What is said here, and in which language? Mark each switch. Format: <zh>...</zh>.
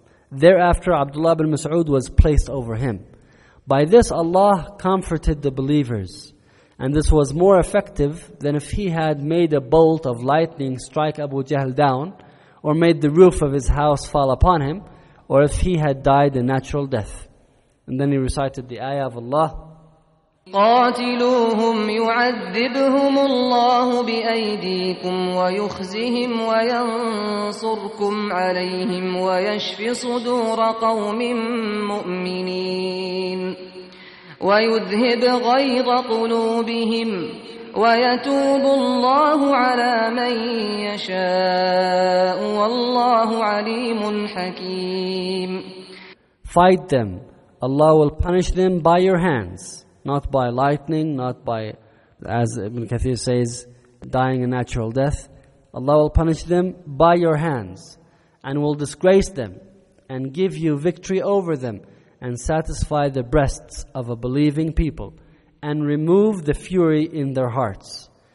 <en>Thereafter, Abdullah ibn Mas'ud was placed over him. By this, Allah comforted the believers. And this was more effective than if he had made a bolt of lightning strike Abu Jahl down, or made the roof of his house fall upon him, or if he had died a natural death. And then he recited the ayah of Allah,</en> <ar>قاتلوهم يعذبهم الله بأيديكم ويخزهم وينصركم عليهم ويشف صدور قوم مؤمنين ويذهب غيظ قلوبهم ويتوب الله على من يشاء والله عليم حكيم.</ar> <en>Fight them. Allah will punish them by your hands, not by lightning, not by, as Ibn Kathir says, dying a natural death. Allah will punish them by your hands and will disgrace them and give you victory over them and satisfy the breasts of a believing people and remove the fury in their hearts.</en>